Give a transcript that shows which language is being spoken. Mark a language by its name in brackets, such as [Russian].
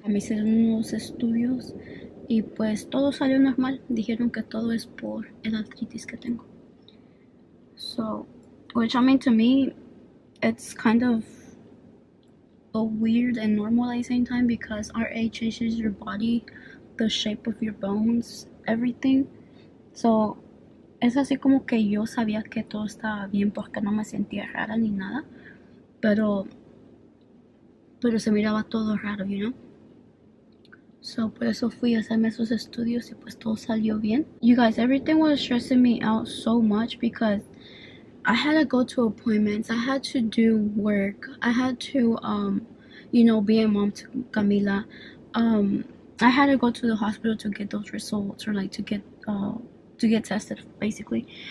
[Spanish] Me hicieron unos estudios y pues todo salió normal. Dijeron que todo es por el artritis que tengo. [English] So, which I mean, to me, it's kind of a weird and normal at the same time because RA changes your body, the shape of your bones, everything. [Spanish] So, es así como que yo sabía que todo estaba bien porque no me sentía rara ni nada. Pero se miraba todo raro, [English] you know? [Spanish] So, por eso fui a hacerme esos estudios y pues todo salió bien. [English] You guys, everything was stressing me out so much because I had to go to appointments. I had to do work. I had to, you know, be a mom to Camila. I had to go to the hospital to get those results or like to get tested, basically.